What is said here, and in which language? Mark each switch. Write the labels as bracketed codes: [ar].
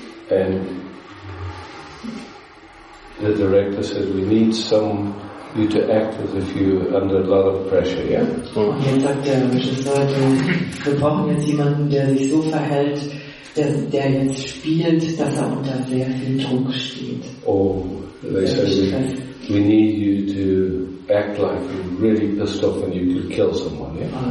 [en] And the director said, we need some you to act as if you're under a lot of pressure, yeah? [de] Und jetzt sagt der Regisseur, wir brauchen jetzt jemanden, der sich so verhält, der jetzt spielt, dass er unter sehr viel Druck steht. [en] Oh, they said, we need you to act like you're really pissed off and you could kill someone, yeah?